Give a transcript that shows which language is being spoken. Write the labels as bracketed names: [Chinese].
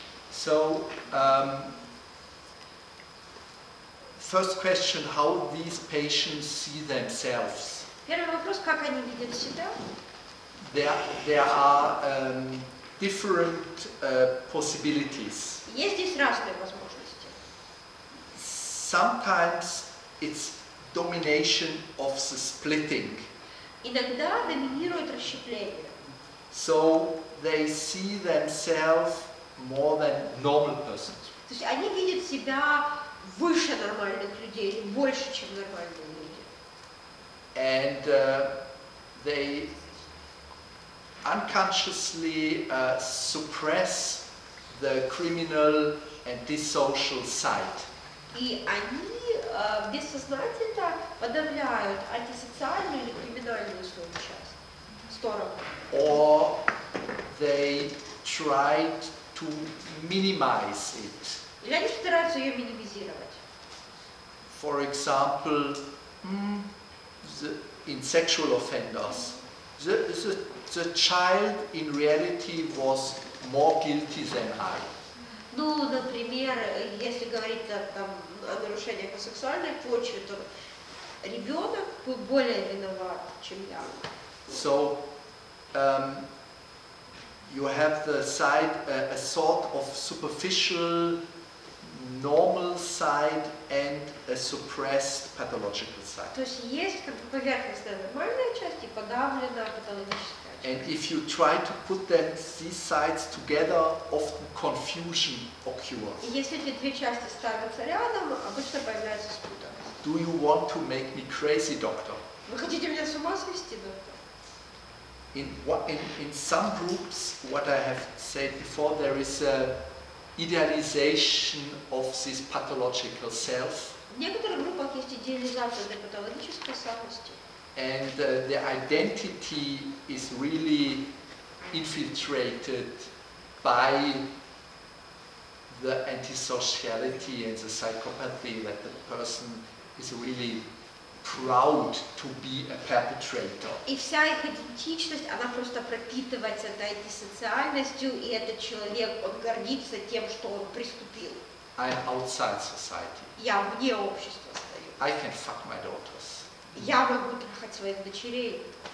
[English] So, first question: how these patients see themselves? [Russian] Первый вопрос: как они видят себя? [English] There are different possibilities. [Russian] Есть здесь разные возможности. [English] Sometimes it's domination of the splitting. [Russian] Иногда доминирует расщепление. [English] So they see themselves more than normal persons. [Russian] То есть они видят себя выше нормальных людей, больше, чем нормальные люди. [English] And they unconsciously suppress the criminal and dissocial side. [Russian] И они бессознательно подавляют антисоциальную или криминальную свою часть, сторону. [English] Or they tried to minimize it. [Russian] Или они стараются ее минимизировать. [English] For example, in sexual offenders, the child in reality was more guilty than I. [Russian] Ну, например, если говорить там о нарушениях по сексуальной почве, то ребенок был более виноват, чем я. [English] So, you have the side, a sort of superficial, normal side and a suppressed pathological side. [Russian] То есть есть как бы поверхностная нормальная часть и подавленная патологическая. [English] And if you try to put them, these sides together, often confusion occurs. [Russian] Если эти две части ставятся рядом, обычно появляется спутанность. [English] Do you want to make me crazy, doctor? [Russian] Вы хотите меня с ума свести, доктор? [English] In some groups, what I have said before, there is a idealization of this pathological self. [Russian] В некоторых группах есть идеализация для патологической самости. [English] And the identity is really infiltrated by the antisociality and the psychopathy, that the person is really proud to be a perpetrator. [Russian] И вся их идентичность, она просто пропитывается этой антисоциальностью, и этот человек, он гордится тем, что он преступил. [English] I'm outside society. [Russian] Я вне общества стою. [English] I can fuck my daughters. [Russian] Я могу трахать своих дочерей.